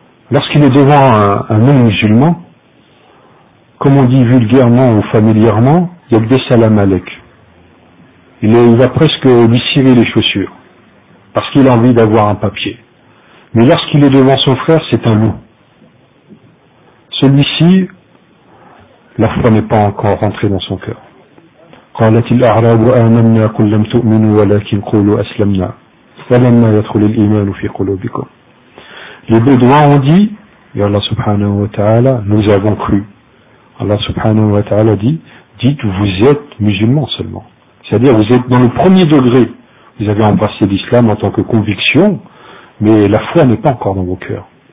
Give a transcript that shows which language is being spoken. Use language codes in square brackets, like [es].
[fr] Lorsqu'il est devant un non-musulman, comme on dit vulgairement ou familièrement, il y a le Bessalam Alek. Il va presque lui cirer les chaussures, parce qu'il a envie d'avoir un papier. Mais lorsqu'il est devant son frère, c'est un loup. Celui-ci, la foi n'est pas encore rentrée dans son cœur. [ar] قالت الأعراب آمنا قل لم تؤمنوا ولكن قولوا أسلمنا فلما يدخل الإيمان في قلوبكم. [fr] Les Bédouins ont dit, et Allah subhanahu wa ta'ala, nous avons cru. Allah subhanahu wa ta'ala dit, dites vous êtes musulmans seulement. C'est-à-dire vous êtes dans le premier degré. Vous avez embrassé l'islam en tant que conviction, mais la foi n'est pas encore dans vos cœurs.